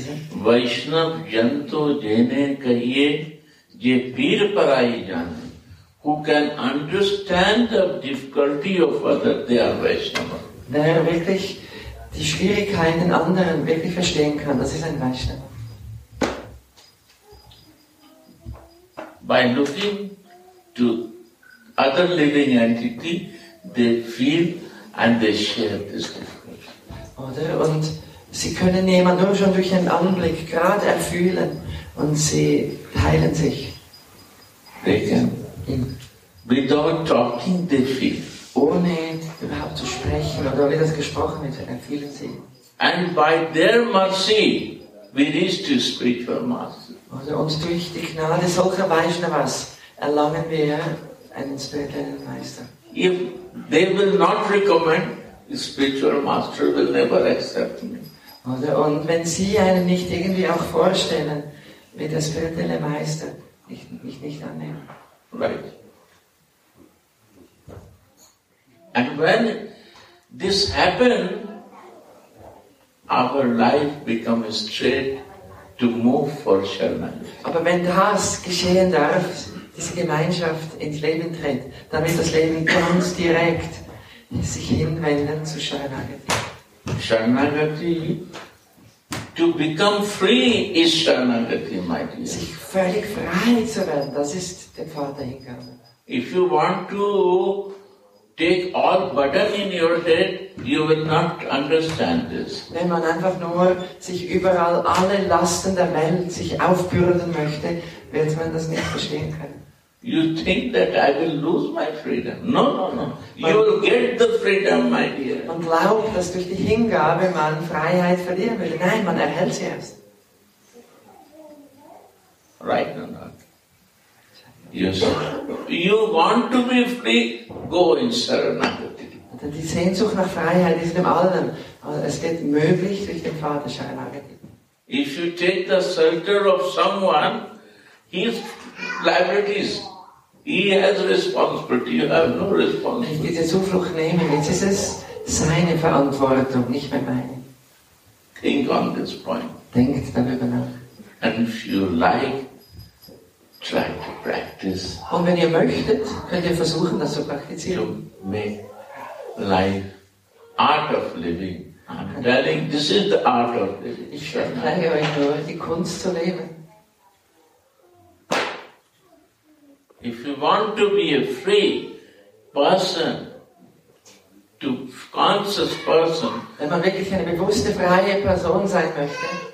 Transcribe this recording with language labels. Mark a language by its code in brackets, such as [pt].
[gu] Vaishnav janto jene kahiye je peer parai jane, [en] who can understand the difficulty of other, they are Vaishnava. [de] Der wirklich die Schwierigkeiten anderen wirklich verstehen kann, das ist ein Vaishnava. [en] By looking to other living entity, they feel and they share this difficulty. [de] Oder, und sie können jemanden nur schon durch einen Anblick gerade erfühlen und sie teilen sich. [en] They can. Without talking, they feel. [de] Ohne überhaupt zu sprechen oder wie das gesprochen wird, erfühlen sie. [en] And by their mercy, we reach to spiritual master. [de] Und durch die Gnade solcher Vaishnavas erlangen wir einen spirituellen Meister. [en] If they will not recommend, the spiritual master will never accept me. [de] Oder, und wenn Sie einen nicht irgendwie auch vorstellen, wird der spirituelle Meister mich nicht annehmen. [en] Right. And when this happens, our life becomes straight to move for Sharanagati. [de] Aber wenn das geschehen darf, diese Gemeinschaft ins Leben tritt, dann wird das Leben ganz direkt sich hinwenden zu Sharanagati. [en] Sharanagati, to become free is Sharanagati, my dear. [de] Sich völlig frei zu werden, das ist der Vaterhingabe. [en] If you want to take all burden in your head, you will not understand this. [de] Wenn man einfach nur sich überall alle Lasten der Welt sich aufbürden möchte, wird man das nicht verstehen können. [en] You think that I will lose my freedom. No, no, no. You will get the freedom, my dear. [de] Man glaubt, dass durch die Hingabe man Freiheit verlieren will. Nein, man erhält sie erst. [en] Right or not? Yes. You want to be free? Go in Saranagati. [de] Die Sehnsucht nach Freiheit ist in allem. Es geht möglich durch den Vater Saranagati. [en] If you take the shelter of someone, he's liabilities. He has responsibility. You have no responsibility. [de] Ich will diese Zuflucht nehmen. Jetzt ist es seine Verantwortung, nicht mehr meine. [en] Think on this point. [de] Denkt darüber nach. [en] And if you like, try to practice. [de] Und wenn ihr möchtet, könnt ihr versuchen, das zu praktizieren. [en] To make life art of living. I'm telling, this is the art of living. [de] Ich verleihe euch nur die Kunst zu leben. [en] If you want to be a free person, to conscious person, [de] wenn man wirklich eine bewusste freie Person sein möchte,